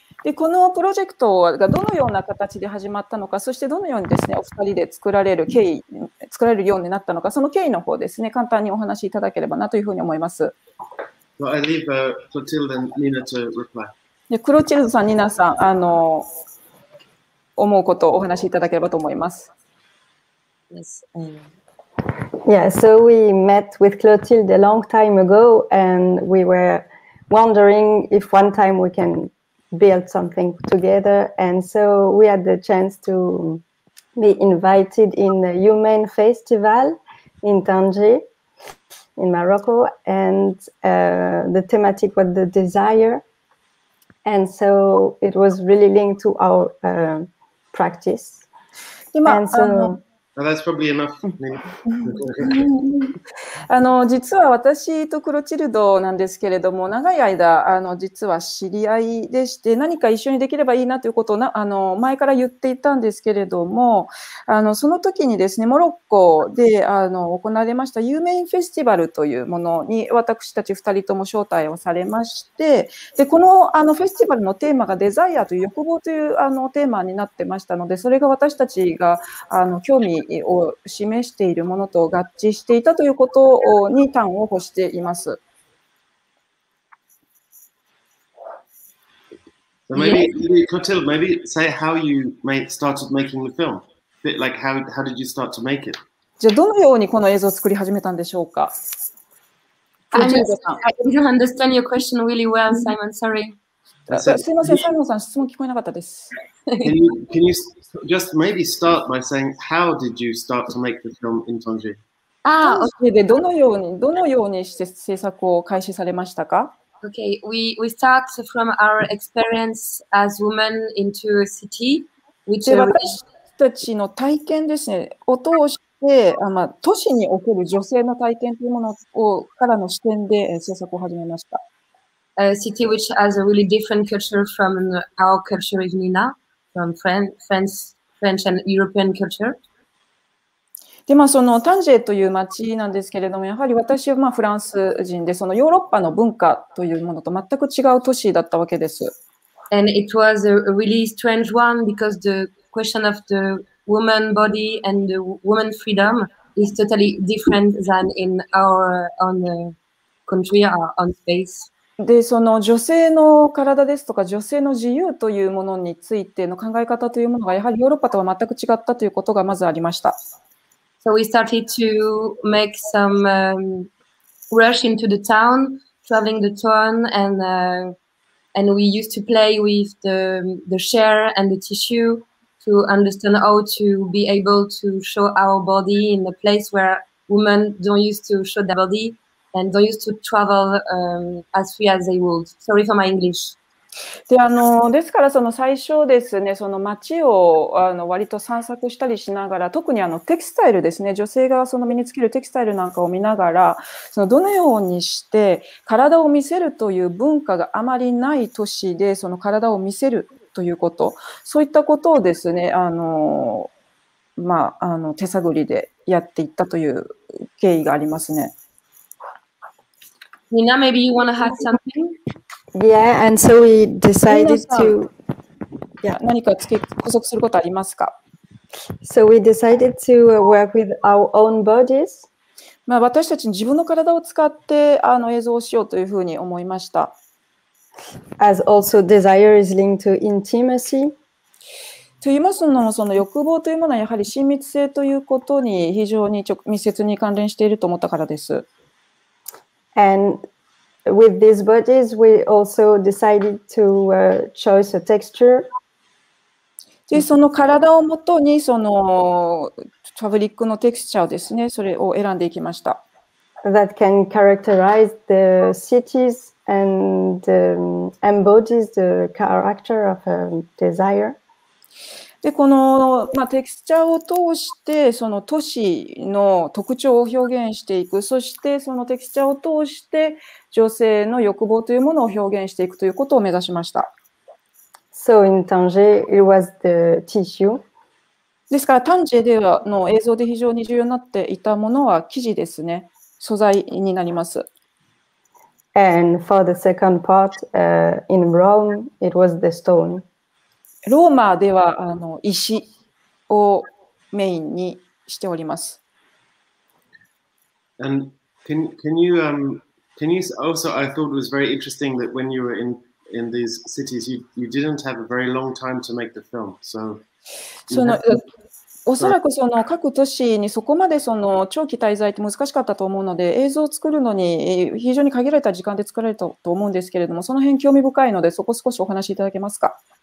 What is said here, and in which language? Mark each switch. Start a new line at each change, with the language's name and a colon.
Japanese: でこのプロジェクトがどのような形で始まったのか、そしてどのようにですね、お二人で作られる経緯、作られるようになったのか、その経緯の方ですね、簡単にお話しいただければなというふうに思います。
English: Well, I leave Clotilde and Nina to reply.
Japanese: でクロチルドさん、ニナさん、あの思うことをお話しいただければと思います。
English: Yes, Yeah, so we met with Clotilde a long time ago, and we were wondering if one time we canbuild something together, and so we had the chance to be invited in the Humane Festival in Tangier, in Morocco, and the thematic was the desire, and so it was really linked to our practice. And so, that's probably enough.
Japanese: あの実は私とクロチルドなんですけれども長い間あの実は知り合いでして何か一緒にできればいいなということをなあの前から言っていたんですけれどもあのその時にですねモロッコであの行われましたユーメインフェスティバルというものに私たち2人とも招待をされましてでこの、 あのフェスティバルのテーマがデザイアという欲望というあのテーマになってましたのでそれが私たちがあの興味を示しているものと合致していたということに端を欲しています。
English: So maybe Clotilde, maybe say how you started making the film. Bit like how did you start to make it?
Japanese: じゃあどのようにこの映像を作り始めたんでしょうか。
English: I don't understand your question really well, Simon. Sorry.
Japanese: すみません、サイモンさん、質問聞こえなかったです。
English: can you just maybe start by saying how did you start to make the film in Tangier? Ah, okay.
Japanese: でどのようにどのようにして制作を開始されましたか
English: Okay, we start from our experience as women into a city, which is...
Japanese: 私たちの体験ですね、を通してあ、まあ、都市における女性の体験というものをからの視点で制作を始めました。
English: A city which has a really different culture from our culture in Nina, from French and European culture.
Japanese: でまあ、そのタンジェという町なんですけれども、やはり私はまあフランス人で、そのヨーロッパの文化というものと全く違う都市だったわけです。
English: And it was a really strange one because the question of the woman body and the woman freedom is totally different than in our own country or on space.
Japanese: でその女性の体ですとか女性の自由というものについての考え方というものが、やはりヨーロッパとは全く違ったということがまずありました。
English: So we started to make some rush into the town, traveling the town, and we used to play with the chair and the tissue to understand how to be able to show our body in a place where women don't used to show their body and don't used to travel as free as they would. Sorry for my English.
Japanese: であのですからその最初ですねその街をあの割と散策したりしながら特にあのテキスタイルですね女性がその身につけるテキスタイルなんかを見ながらそのどのようにして体を見せるという文化があまりない都市でその体を見せるということそういったことをですねあの、まあ、あの手探りでやっていったという経緯がありますね。
English: Nina, maybe you want to add something? Yeah, and so we decided to.
Japanese: Yeah, 何か付け補足することありますか
English: ？So we decided to work with our own bodies.
Japanese: まあ私たち自分の体を使ってあの映像をしようというふうに思いました。
English: As also desire is linked to intimacy.
Japanese: と言いますのもその欲望というものはやはり親密性ということに非常に密接に関連していると思ったからです。
English: And. With these bodies, we also decided to choose a texture.
Japanese: で、その体をもとにそのファブリックのテクスチャーですね、それを選んでいきました。
English: That can characterize the cities and embodies the character of a desire.
Japanese: で、この、まあ、テクスチャーを通して、その都市の特徴を表現していく、そしてそのテクスチャーを通して、女性の欲望というものを表現していくということを目指しました。
English: So in Tanger, it was the tissue.
Japanese: ですから、タンジェでは、の映像で非常に重要になっていたものは生地ですね。素材になります。
English: And for the second part, in Rome, it was the stone.
Japanese: ローマでは石をメインにしております。
English: And can you also I thought it was very interesting that when you were in these cities you didn't have a very long time to make the film. So
Japanese: おそらくその各都市にそこまでその長期滞在って難しかったと思うので映像を作るのに非常に限られた時間で作られたと思うんですけれどもその辺興味深いのでそこ少しお話しいただけますか。